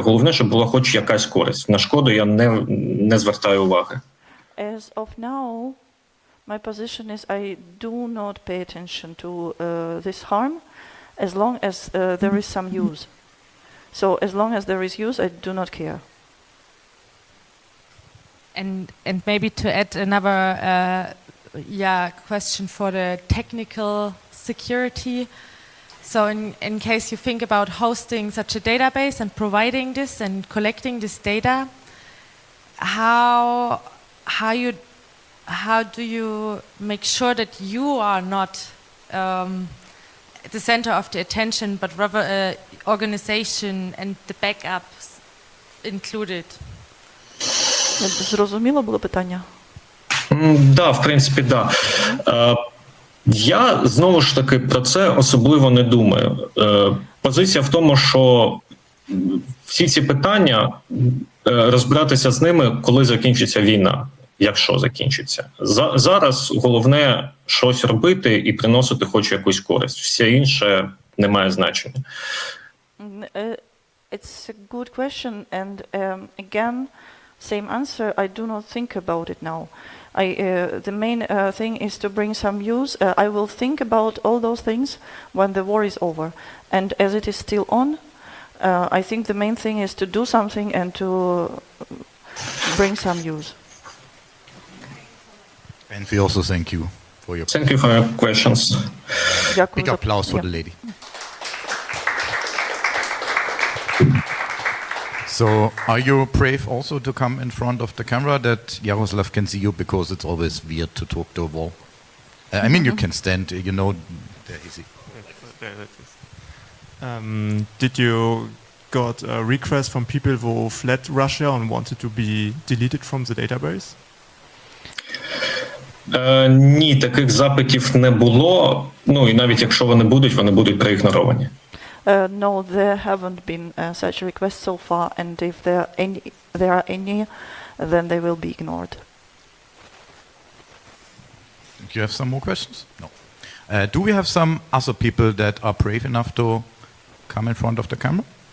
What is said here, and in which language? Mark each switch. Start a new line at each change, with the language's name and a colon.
Ukrainian: Головне, щоб була хоч якась користь. На шкоду я не звертаю уваги.
English: As of now, my position is I do not pay attention to this harm as long as there is some use. So as long as there is use, I do not care. And maybe to add another question for the technical security. So in case you think about hosting such a database and providing this and collecting this data, how do you make sure that you are not the center of the attention, but rather an organization and the backups included?
Ukrainian: Зрозуміло було питання? Да, в принципі, да. Я, знову ж таки, про це особливо не думаю. Позиція в тому, що всі ці питання, розбиратися з ними, коли закінчиться війна. Якщо закінчиться. Зараз головне щось робити і приносити хоч якусь користь. Все інше не має значення.
English: It's a good question, and again, same answer, I do not think about it now. The main thing is to bring some use. I will think about all those things when the war is over. And as it is still on, I think the main thing is to do something and to bring some use. And we also thank you for your thank you for your questions. Big applause for the lady. So, are you brave also to come in front of the camera that Yaroslav can see you, because it's always weird to talk to a wall? I mean, you can stand, you know, there is it. Did you got a request from people who fled Russia and wanted to be deleted from the database?
Ukrainian: Ні, таких запитів не було. Ну, і навіть якщо вони будуть проігноровані.
English: No, there haven't been such requests so far, and if there are any, then they will be ignored. Do you have some more questions? No. Do we have some other people that are brave enough to come in front of the camera?